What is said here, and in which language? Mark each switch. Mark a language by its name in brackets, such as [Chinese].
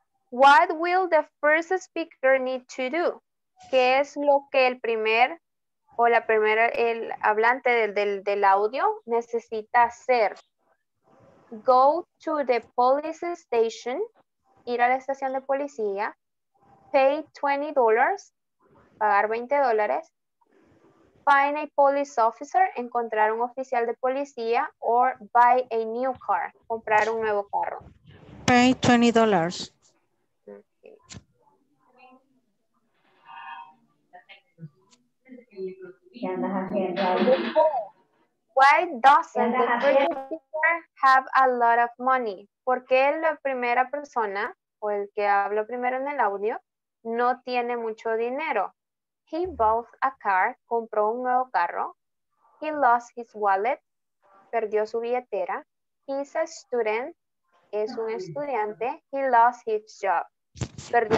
[English] What will the first speaker need to do? [Spanish] ¿Qué es lo que el primer o la primera, el hablante del audio necesita hacer? [English] Go to the police station, [Spanish] ir a la estación de policía, [English] pay $20, [Spanish] pagar $20, [English] find a police officer, [Spanish] encontrar un oficial de policía, [English] or buy a new car, [Spanish] comprar un nuevo carro. [English] Pay $20. Why doesn't the first speaker have a lot of money? [Spanish] ¿Por qué la primera persona o el que habló primero en el audio no tiene mucho dinero? [English] He bought a car, [Spanish] compró un nuevo carro. [English] He lost his wallet, [Spanish] perdió su billetera. [English] He's a student, [Spanish] es un estudiante. [English] He lost his job, [Spanish] perdió